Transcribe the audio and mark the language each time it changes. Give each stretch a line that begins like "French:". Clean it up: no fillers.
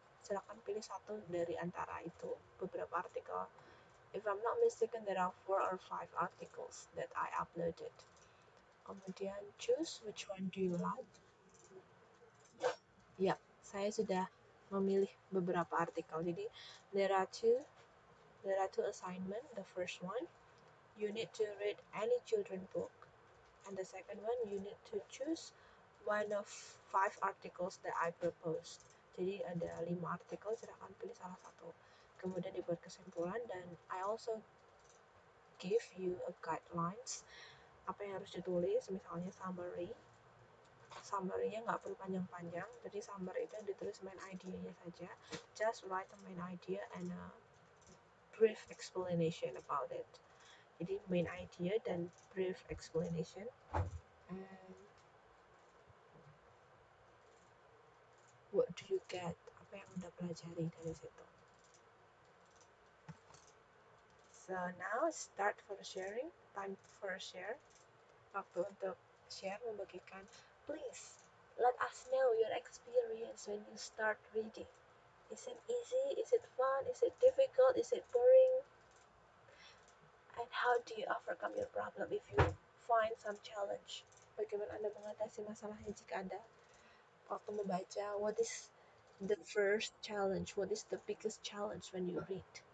Indonesian: silakan pilih satu dari antara itu beberapa artikel.
English: If I'm not mistaken, there are 4 or 5 articles that I uploaded.
Indonesian: Kemudian
English: choose which one do you like.
Indonesian: Ya, saya sudah memilih beberapa artikel. Jadi
English: there are two assignment. The first one, you need to read any children book, and the second one, you need to choose one of 5 articles that I proposed.
Indonesian: Jadi ada 5 artikel, silakan pilih salah satu. Kemudian dibuat kesimpulan, dan
English: I also give you a guidelines
Indonesian: apa yang harus ditulis, misalnya summary. Summary-nya nggak perlu panjang-panjang, jadi summary itu ditulis main idea-nya saja.
English: Just write a main idea and a brief explanation about it.
Indonesian: Jadi main idea dan brief explanation.
English: What do you get?
Indonesian: Apa yang Anda pelajari dari situ?
English: So now start for sharing. Time for share.
Indonesian: Waktu untuk share, membagikan.
English: Please let us know your experience when you start reading. Is it easy? Is it fun? Is it difficult? Is it boring? And how do you overcome your problem if you find some challenge?
Indonesian: Bagaimana Anda mengatasi masalahnya jika Anda waktu membaca?
English: What is the first challenge? What is the biggest challenge when you read?